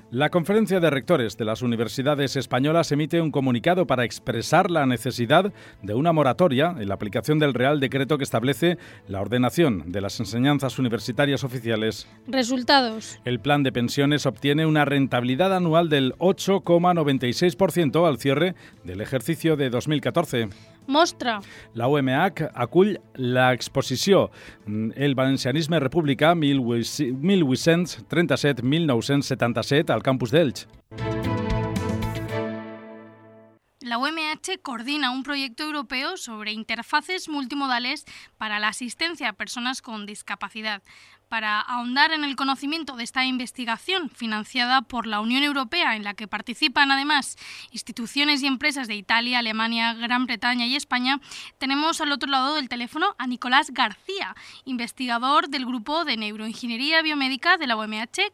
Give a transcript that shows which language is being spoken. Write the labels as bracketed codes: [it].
[es] La Conferencia de Rectores de las Universidades Españolas emite un comunicado para expresar la necesidad de una moratoria en la aplicación del Real Decreto que establece la ordenación de las enseñanzas universitarias oficiales. Resultados. El plan de pensiones obtiene una rentabilidad anual del 8,96% al cierre del ejercicio de 2014. [ca] Mostra. La UMH acull la exposició El valencianisme república 1837-1977 al campus d'Elx. [es] La UMH coordina un proyecto europeo sobre interfaces multimodales para la asistencia a personas con discapacidad. Para ahondar en el conocimiento de esta investigación financiada por la Unión Europea, en la que participan además instituciones y empresas de Italia, Alemania, Gran Bretaña y España, tenemos al otro lado del teléfono a Nicolás García, investigador del Grupo de Neuroingeniería Biomédica de la UMH.